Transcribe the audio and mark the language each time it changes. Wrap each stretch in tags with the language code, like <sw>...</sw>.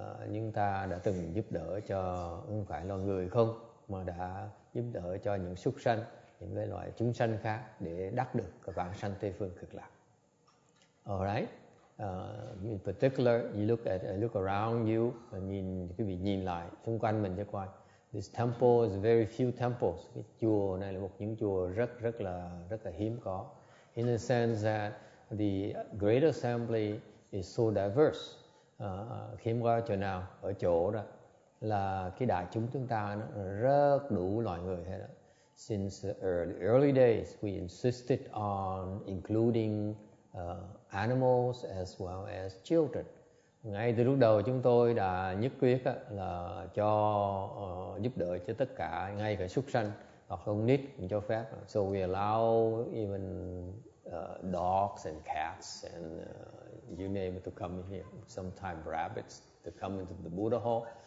<vi>Nhưng ta đã từng giúp đỡ cho không phải loài người không, mà đã giúp đỡ cho những súc sanh, những cái loại chúng sanh khác để đắc được cái vãng sanh Tây Phương Cực Lạc. Alright?</vi> <en>In particular, you look around you,</en> <vi>nhìn quý vị nhìn lại xung quanh mình cho coi.</vi> <en>This temple is very few temples.</en> <vi>Cái chùa này là một những chùa rất là hiếm có.</vi> <en>In the sense that the Great Assembly is so diverse.</en> <vi>Khiếm qua chỗ nào? Ở chỗ đó là cái đại chúng chúng ta nó rất đủ loại người hết đó.</vi> <en>Since early days, we insisted on including animals as well as children.</en> <vi>Ngay từ lúc đầu chúng tôi đã nhất quyết là cho giúp đỡ cho tất cả, ngay cả súc sanh hoặc con nít cũng cho phép.</vi> <en>So we allow even dogs and cats and you name it to come in here. Sometimes rabbits to come into the Buddha hall.</en>